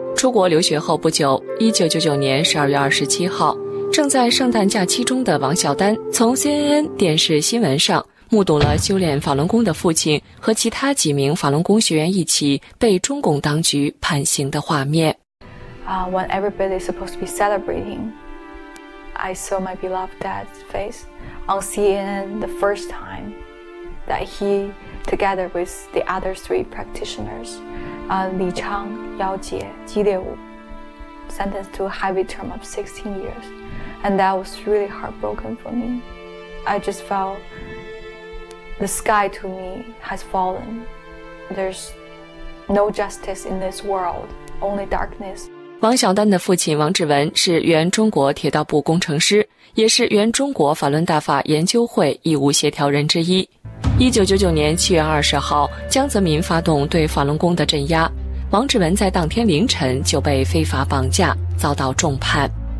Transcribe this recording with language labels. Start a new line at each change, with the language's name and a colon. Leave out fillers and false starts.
Chinese: 出国留学后不久，1999年12月27号，正在圣诞假期中的王晓丹从 CNN 电视新闻上目睹了修炼法轮功的父亲和其他几名法轮功学员一起被中共当局判刑的画面。
English: When everybody is supposed to be celebrating, I saw my beloved dad's face on CNN the first time that he together with the other three practitioners. 李昌、姚杰、激烈武 sentenced to a heavy term of 16 years. And that was really heartbroken for me. I just felt the sky to me has fallen. There's no justice in this world, only darkness.
Chinese: 王晓丹的父亲王志文是原中国铁道部工程师，也是原中国法轮大法研究会义务协调人之一。 1999年7月20号，江泽民发动对法轮功的镇压，王志文在当天凌晨就被非法绑架，遭到重判。